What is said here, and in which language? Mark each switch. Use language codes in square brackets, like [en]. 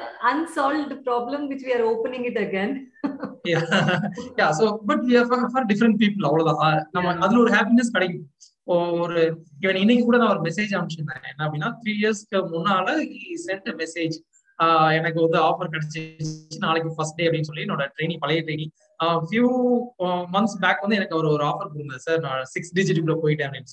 [en] Unsolved problem which we are opening it again. Yeah, so but we are for different people. [ta] அவ்வளவுதான், நம்ம அதுல ஒரு happiness கிடைக்கும். ஒரு இவன் இன்னைக்கு கூட நான் ஒரு மெசேஜ் அனுப்பிச்சிருந்தேன், என்ன அப்படின்னா 3 இயர்ஸ்க்கு முன்னால சென்ட் மெசேஜ், எனக்கு வந்து ஆஃபர் கிடைச்சிச்சு நாளைக்கு ஃபர்ஸ்ட் டே அப்படின்னு சொல்லி என்னோட ட்ரைனிங் பழைய ட்ரைனிங் ஃபியூ மந்த்ஸ் பேக் வந்து எனக்கு அவர் ஒரு ஆஃபர் கொடுத்தாரு சார், நான் 6 டிஜிட்டுக்குள்ள போயிட்டேன் அப்படின்னு.